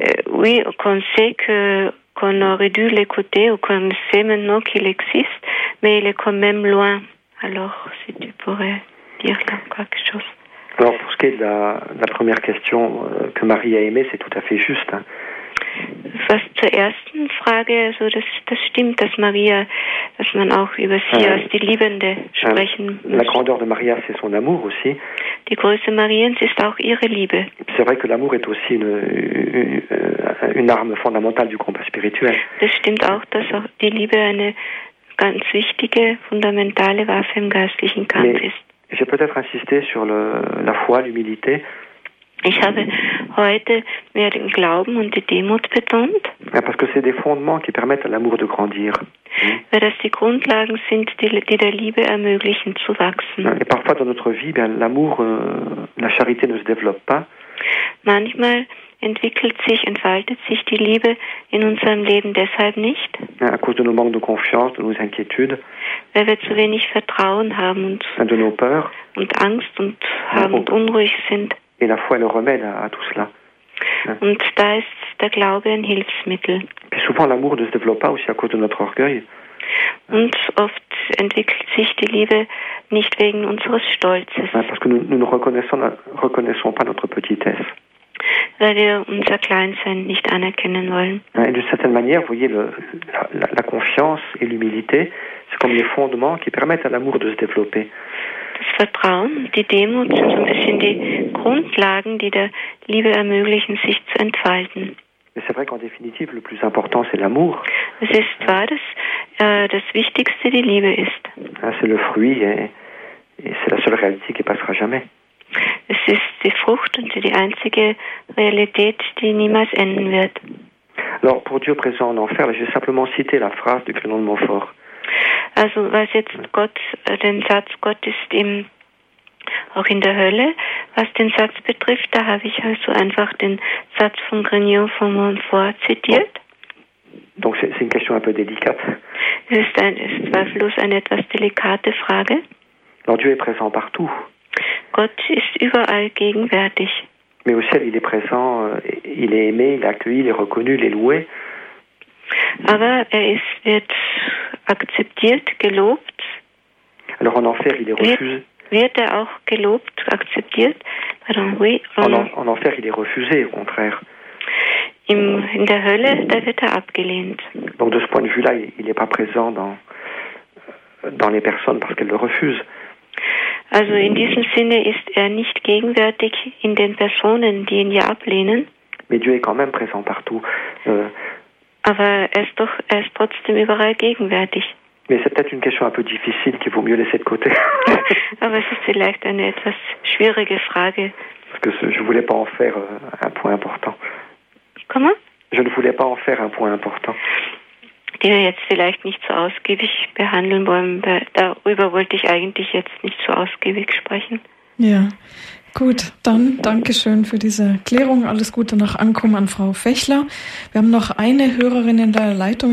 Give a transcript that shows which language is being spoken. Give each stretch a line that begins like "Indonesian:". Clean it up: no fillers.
French: Oui, qu'on sait qu'on aurait dû l'écouter, ou qu'on sait maintenant qu'il existe, mais il est quand même loin. Alors, si tu pourrais dire quelque chose. Alors, pour ce qui est de la première question, que Marie a aimé, c'est tout à fait juste.
German: Was zur ersten Frage, also das stimmt, dass Maria, dass man auch über sie als die Liebende sprechen muss.
French: La grandeur de Maria, c'est son amour aussi.
German: Die Größe Mariens ist auch ihre Liebe.
French: C'est vrai que l'amour est aussi une arme fondamentale du combat spirituel.
German: Das stimmt auch, dass auch die Liebe eine ganz wichtige, fundamentale Waffe im geistlichen Kampf ist.
French: J'ai peut-être insisté sur la foi, l'humilité.
German: Ich habe heute mehr den Glauben und die Demut betont.
French: Ja, parce que c'est des fondements qui permettent à l'amour de grandir.
German: Weil das die Grundlagen sind, die der Liebe ermöglichen zu wachsen.
French: Ja, et parfois dans notre vie, bien, l'amour, la charité ne se développe pas.
German: Manchmal entfaltet sich die Liebe in unserem Leben deshalb nicht.
French: Ja, à cause de nos manques de confiance, de nos inquiétudes.
German: Weil wir zu wenig Vertrauen haben und,
French: ja, de nos peurs.
German: Und Angst und haben und unruhig sind.
French: Et la foi est le remède à tout cela.
German: Und da ist der Glaube ein Hilfsmittel.
French: Et souvent l'amour ne se développe pas aussi à cause de notre orgueil.
German: Und oft entwickelt sich die Liebe nicht wegen unseres Stolzes.
French: Parce que nous ne reconnaissons pas notre petitesse.
German: Weil wir unser Kleinsein nicht anerkennen wollen.
French: Et d'une certaine manière, vous voyez, la confiance et l'humilité, c'est comme les fondements qui permettent à l'amour de se développer.
German: Das Vertrauen, die Demut sind so ein bisschen die Grundlagen, die der Liebe ermöglichen, sich zu entfalten.
French: C'est vrai qu'en définitive, le plus important, c'est l'amour.
German: Es ist wahr, dass das Wichtigste die Liebe ist.
French: C'est le fruit et c'est la seule réalité qui passera jamais.
German: Es ist die Frucht und die einzige Realität, die niemals enden wird.
French: Alors, pour Dieu présent en enfer, là, je vais simplement citer la phrase du Grignon de Montfort.
German: Also, was jetzt Gott, den Satz, Gott ist im, auch in der Hölle, was den Satz betrifft, da habe ich also einfach den Satz von Grignon von Montfort zitiert. Oh.
French: Donc c'est une question un peu délicate. C'est
German: zweifellos eine etwas delikate Frage.
French: Alors Dieu est présent partout.
German: Gott ist überall gegenwärtig.
French: Mais au ciel, il est présent, il est aimé, il est accueilli, il est reconnu, il est loué.
German: Aber er ist, wird akzeptiert, gelobt.
French: Alors en enfer, il est refusé.
German: Wird er auch gelobt, akzeptiert?
French: Pardon, oui. En enfer, il est refusé, au contraire.
German: In der Hölle, da wird er abgelehnt.
French: Donc de ce point de vue-là, il n'est pas présent dans les personnes parce qu'elles le refusent.
German: Also in diesem Sinne ist er nicht gegenwärtig in den Personen, die ihn ja ablehnen.
French: Mais Dieu est quand même présent partout.
German: Aber er ist trotzdem überall gegenwärtig.
French: Mais c'est peut-être une question un peu difficile qu'il vaut mieux laisser de côté.
German: Aber es ist vielleicht eine etwas schwierige Frage.
French: Parce que je ne voulais pas en faire un point important. Comment? Je ne voulais pas en faire un point important.
German: Die wir jetzt vielleicht nicht so ausgiebig behandeln wollen, darüber wollte ich eigentlich jetzt nicht so ausgiebig sprechen. Ja, gut, dann Dankeschön für diese Klärung. Alles Gute nach Ankommen an Frau Fächler. Wir haben noch eine Hörerin in der Leitung.